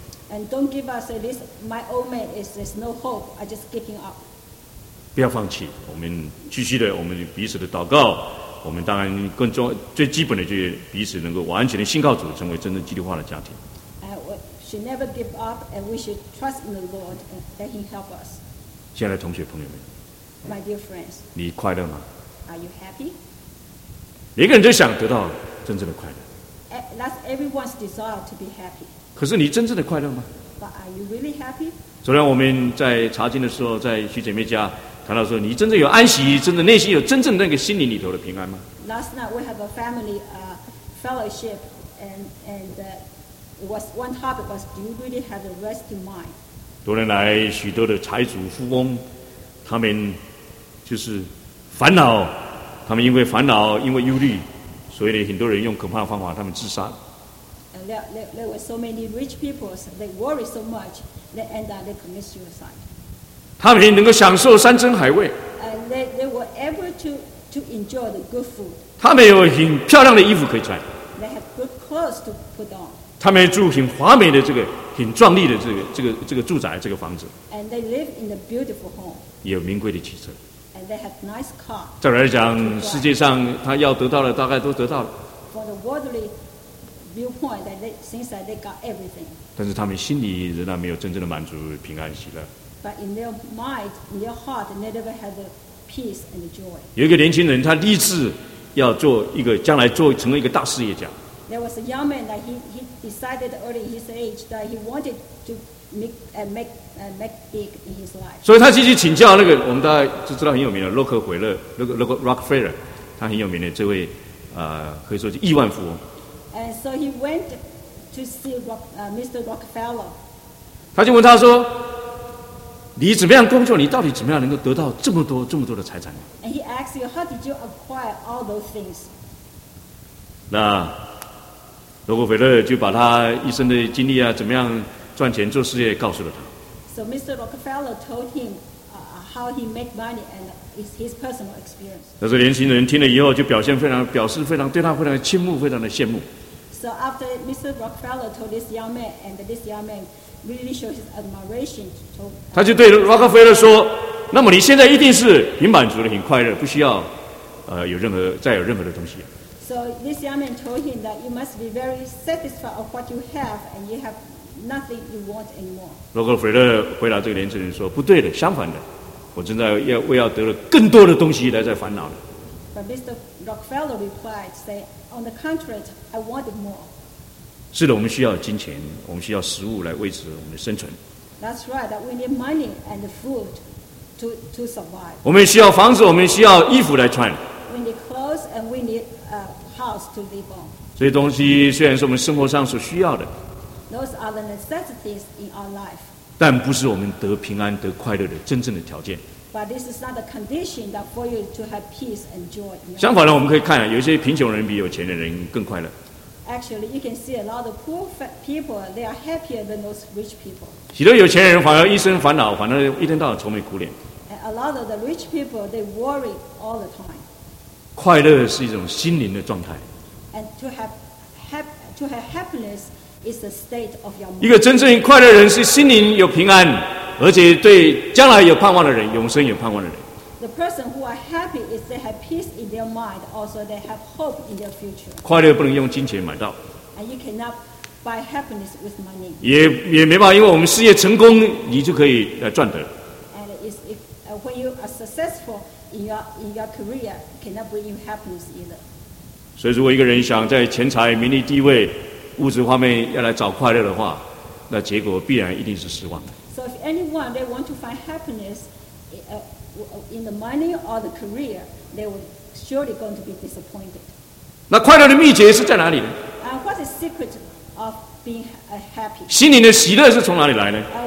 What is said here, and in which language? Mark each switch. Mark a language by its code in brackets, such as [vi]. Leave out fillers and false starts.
[en] and don't give us this my old man is there's no hope I just giving up [zh] 不要放弃我们继续的我们彼此的祷告我们当然更重最基本的就是彼此能够完全的信靠主成为真正基督化的家庭 [en] we should never give up and we should trust in the Lord and let him help us [zh] 亲爱的同学朋友们 [en] ，My dear friends， [zh] 你快乐吗 [en] ？Are you happy？ [zh] 每个人都想得到真正的快乐。 [en] That's everyone's desire to be happy。 [zh] 可是你真正的快乐吗 [en] ？But are you really happy？ [zh] 昨天我们在查经的时候，在徐姐妹家谈到说，你真正有安息，真正内心有真正那个心灵里头的平安吗 [en] ？Last night we have a family fellowship and was one topic was do you really have a rest in mind？ [zh] 多年来，许多的财主富翁，他们就是烦恼，他们因为烦恼，因为忧虑，所以呢，很多人用可怕的方法，他们自杀。 [en] There were so many rich people, so they worry so much, they end up they commit suicide. [zh] 他们能够享受山珍海味。 [en] They were able to enjoy the good food. [zh] 他们有很漂亮的衣服可以穿。 [en] They have good clothes to put on. [zh] 他们住很华美的这个。很壮丽的这个住宅这个房子 [en] and they live in a beautiful home. [zh] 也有名贵的汽车 [en] and they have nice car. [zh] 再来讲世界上他要得到的大概都得到了 [en] For the worldly viewpoint that they seems like they got everything. [zh] 但是他们心里仍然没有真正的满足平安喜乐 [en] But in their mind, in their heart, they never had the peace and the joy. [zh] 有一个年轻人他立志要做一个将来做成为一个大事业家 [en] There was a young man that he decided early his age that he wanted to make big in his life. [zh] 所以他积极请教那个我们大家就知道很有名的洛克菲勒，那个 Rockefeller， 他很有名的这位可以说是亿万富翁。 [en] And so he went to see Mr. Rockefeller. [zh] 他就问他说：“你怎么样工作？你到底怎么样能够得到这么多的财产 [en] ？”And he asked you, "How did you acquire all those things?" [zh] 那洛克菲勒就把他一生的经历啊，怎么样赚钱做事业，告诉了他。 [en] So Mr. Rockefeller told him how he made money and his personal experience. [zh] 那这年轻人听了以后，就表示非常对他非常的倾慕，非常的羡慕。 [en] So after Mr. Rockefeller told this young man, and this young man really showed his admiration. [zh] 他就对洛克菲勒说：“那么你现在一定是很满足的，很快乐，不需要有任何的东西。” [en] So this young man told him that you must be very satisfied of what you have, and you have nothing you want anymore. [zh] 洛克菲勒回答这个年轻人说：“不对的，相反的，我正在为要得了更多的东西来在烦恼呢。” [en] But Mr. Rockefeller replied, "Say, on the contrary, I wanted more." [zh] 是的，我们需要金钱，我们需要食物来维持我们的生存。 [en] That's right. That we need money and food to survive. [zh] 我们需要房子，我们需要衣服来穿。 [en] We need clothes and we need a house to live on. [zh] 这些东西虽然是我们生活上所需要的 [en] ，Those are the necessities in our life. [zh] 但不是我们得平安、得快乐的真正的条件。 [en] But this is not the condition that for you to have peace and joy. [zh] 相反呢，我们可以看，有些贫穷人比有钱的人更快乐。 [en] Actually, you can see a lot of poor people. They are happier than those rich people. [zh] 许多有钱人反而一生烦恼，反而一天到晚愁眉苦脸。 [en] And a lot of the rich people they worry all the time. [zh] 快乐是一种心灵的状态。 [en] And to have happiness is the state of your mind. [zh] 一个真正快乐的人是心灵有平安，而且对将来有盼望的人，永生有盼望的人。 [en] The person who are happy is they have peace in their mind, also they have hope in their future. [zh] 快乐不能用金钱买到。 [en] And you cannot buy happiness with money. [zh] 也没办法，因为我们事业成功，你就可以来赚得。 [en] And if when you are successful. In your career cannot bring you happiness either. [zh] 所以，如果一个人想在钱财、名利、地位、物质方面要来找快乐的话，那结果必然一定是失望的。 [en] So if anyone they want to find happiness in the money or the career, they will surely going to be disappointed. [zh] 那快乐的秘诀是在哪里呢 [en] ？What's the secret of being happy? [zh] 心灵的喜乐是从哪里来呢？